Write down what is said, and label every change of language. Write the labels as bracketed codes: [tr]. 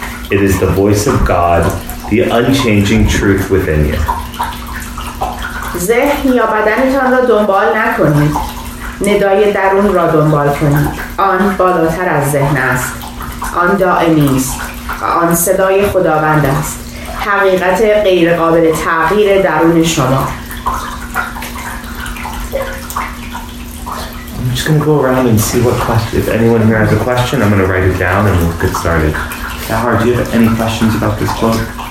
[en] It is the voice of God, the unchanging truth within you. [fa] ذهن یا بدنتان را دنبال نکنید. ندای درون را دنبال کنید. آن بالاتر از ذهن است. آن دائمی است. آن صدای خداوند است. حقیقت غیر قابل تغییر درون شما. [en] I'm just going to go around and see what question. If anyone here has a question, I'm going to write it down and we'll get started. Sahar, do you have any questions about this quote?